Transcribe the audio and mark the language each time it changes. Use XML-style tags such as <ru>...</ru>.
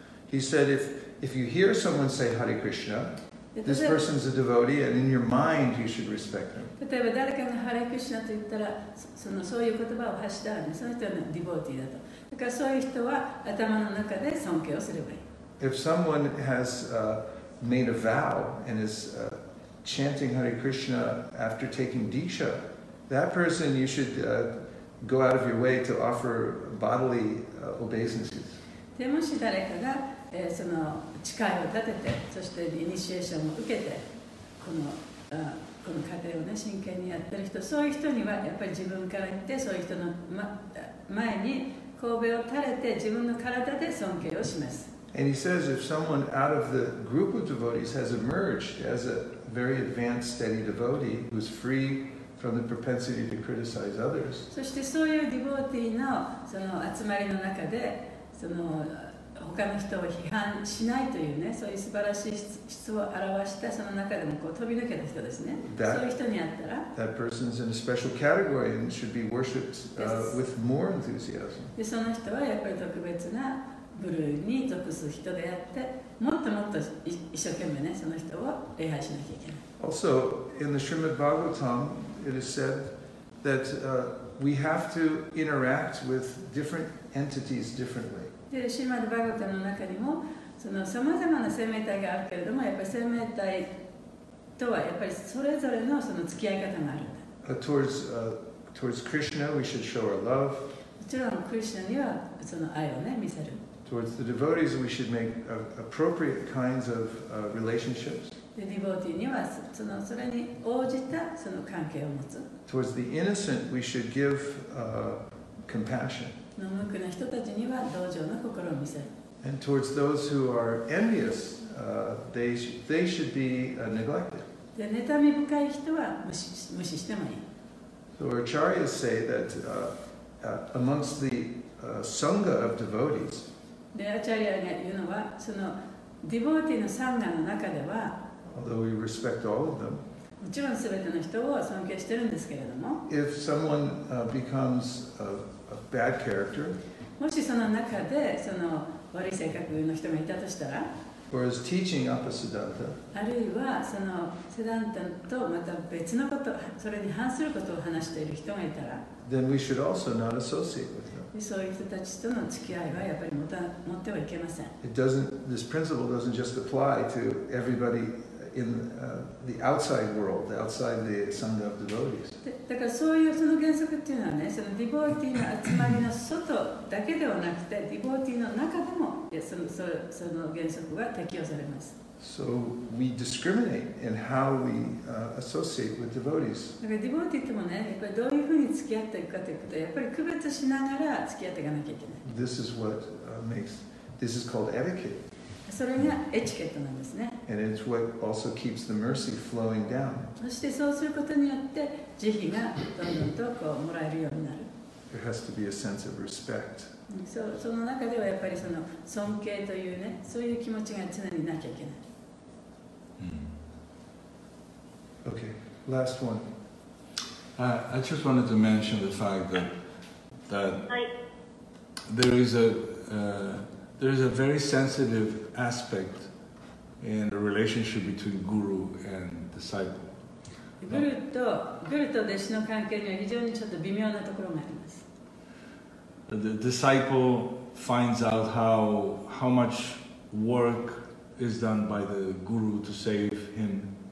<en>He said, if you hear someone say Hare Krishna, this person is a devotee, and in your mind, you should respect them.</en> <ja>例えば誰かがハレクリシュナと言ったら、そういう言葉を発したらね、その人はディボーティーだと。だからそういう人は頭の中で尊敬をすればいい。</ja> <en>If someone has made a vow and is chanting Hare Krishna after taking Diksha, that person you should go out of your way to offer bodily obeisances.</en> <ja>でもし誰かが、その誓いを立てて、そしてイニシエーションを受けて、この家庭をね、真剣にやってる人、そういう人にはやっぱり自分から言って、そういう人の、前に頭を垂れて自分の体で尊敬をします。</ja> <en>And he says if someone out of the group of devotees has emerged as a very advanced steady devotee who's free from the propensity to criticize others.</en> <ja>そしてそういうディボーティーのその集まりの中で、その他の人を批判しないというね、そういう素晴らしい質を表したその中でもこう飛び抜けた人ですね。</ja> <en>That,</en> <ja>そういう人に会ったら、</ja> <en>That person's in a special category and should be worshipped with more enthusiasm.</en> <ja>で、その人はやっぱり特別な部類に属す人であって、もっともっと一生懸命ね、その人を礼拝しなきゃいけない。</ja> <en>Also, in the Srimad Bhagavatam, it is said that we have to interact with different entities differently.</en> <ja>で、シーマル・バガヴァタの中にもその様々な生命体があるけれども、やっぱり生命体とはやっぱりそれぞれのその付き合い方があるんだ。</ja> <en>Towards Krishna, we should show our love.</en> <ja>もちろん、クリシュナにはその愛をね、見せる。</ja> <en>Towards the devotees, we should make appropriate kinds of relationships.</en> <ja>で、ディボーティーにはそのそれに応じたその関係を持つ。</ja> <en>Towards the innocent, we should give compassion.</en> <ja>無垢な人たちには同情の心を見せる。</ja> <en>And towards those who are envious, they should be neglected.</en> <ja>で、妬み深い人は無視してもいい。</ja> <en>So acharyas say that amongst the sangha of devotees,</en> <ja>で、アチャリアが言うのは、そのディボーティーのサンガの中では、</ja> <en>although we respect all of them,</en> <ja>もちろん全ての人を尊敬してるんですけれども、</ja> <en>if someone becomes a bad character,</en> <ja>もしその中でその悪い性格の人がいたとしたら、</ja> <en>or is teaching Appasiddhanta,</en> <ja>あるいはそのセダンタとまた別のこと、それに反することを話している人がいたら、</ja> <en>then we should also not associate with them.</en> <ja>そういう人たちとの付き合いはやっぱり持ってはいけません。</ja> <en>It doesn't, this principle doesn't just apply to everybody in the outside world, outside the Sangha of devotees.</en> <ja>だからそういうその原則っていうのはね、そのディボーティーの集まりの外だけではなくて、ディボーティーの中でもその原則は適用されます。</ja> <en>So we discriminate in how we associate with devotees.</en> <ja>だからディボーティーともね、やっぱりどういうふうに付き合っていくかということはやっぱり区別しながら付き合っていかなきゃいけない。</ja> <en>This is what makes, this is called etiquette.</en> <ja>それがエチケットなんですね。</ja> <en>And it's what also keeps the mercy flowing down.</en> <ja>そしてそうすることによって慈悲がどんどんとこうもらえるようになる。</ja> <en>There has to be a sense of respect.</en> <ja>その中ではやっぱりその尊敬というね、そういう気持ちが常になきゃいけない。</ja> <en>Okay, last one. I just wanted to mention the fact that there is a very sensitive aspect in the relationship between guru and disciple.</en> <ja>Guru と弟子の関係には非常にちょっと微妙なところがあります。</ja> <en>The disciple finds out how much work is done by the guru to save him.</en>